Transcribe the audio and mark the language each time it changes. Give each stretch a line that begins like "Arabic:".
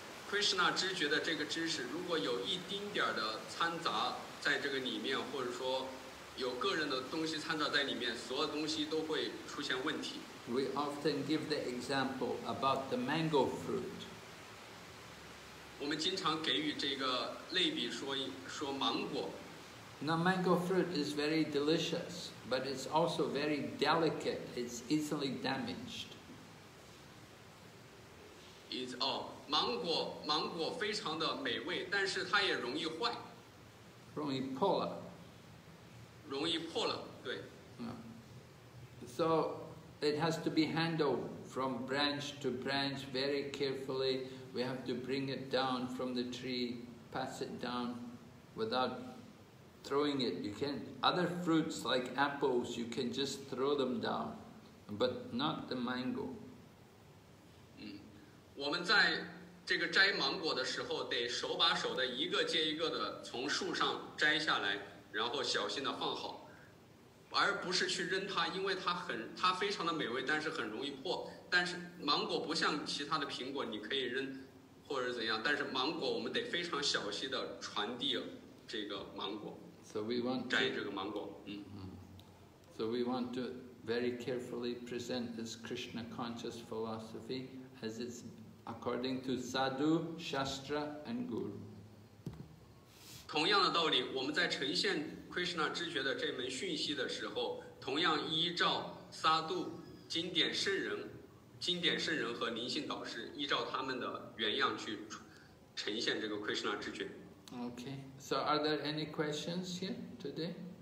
Chinese: Krishna 知觉的这个知识，如果有一丁点的掺杂在这个里面，或者说。有个人的东西掺杂在里面，所有东西都会出现问题。
English: We often give the example about the mango fruit.
Chinese: 我们经常给予这个类比说芒果。
English: Now mango fruit is very delicious, but it's also very delicate. It's easily damaged.
Chinese: Mango 非常的美味，但是它也容易坏。容易破了。容易破了，对。
English: So it has to be handled from branch to branch very carefully. We have to bring it down from the tree, pass it down without throwing it. You can other fruits like apples, you can just throw them down, but not the mango.
Chinese: 我们在这个摘芒果的时候，得手把手的一个接一个的从树上摘下来。然后小心地放好，而不是去扔它，因为它非常的美味，但是很容易破。但是芒果不像其他的苹果，你可以扔，或者怎样。但是芒果我们得非常小心地传递这个芒果。
English: So we want to,
Chinese: 摘这个芒果。
English: So we want to very carefully present this Krishna conscious philosophy as it's according to Sadhu, Shastra, and Guru.
Chinese: 同样的道理，我们在呈现 Krishna 知觉的这门讯息的时候，同样依照萨度经典圣人和灵性导师，依照他们的原样去呈现这个 Krishna 知觉。
English: Okay, so are there any questions here today?